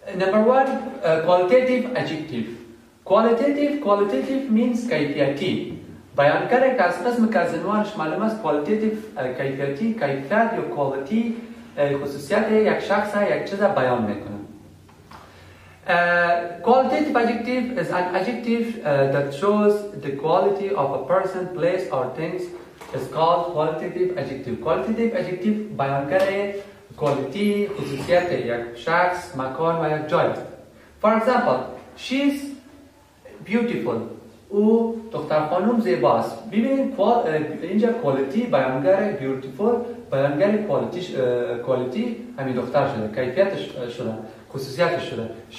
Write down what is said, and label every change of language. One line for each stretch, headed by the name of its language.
English: Number one, qualitative adjective. Qualitative means kayfiyati.
Persian: بیان کرده که از قسم که از عنوانش معلوم است qualitative kayfiyati, kayfiyat یا quality خصوصیت یک شخص ها یک چیز بیان میکنه.
English: Qualitative adjective is an adjective that shows the quality of a person, place or things. It's called qualitative adjective.
Persian: Qualitative adjective بیان کرده quality خصوصیت یک شخص، مکان و یک جای.
English: For example, she's beautiful.
Persian: او دختر خانم زیبا است. ببینید اینجا quality بیانگر beautiful بیانگر quality همین دختر شده، کیفیتش شده، خصوصیتش شده.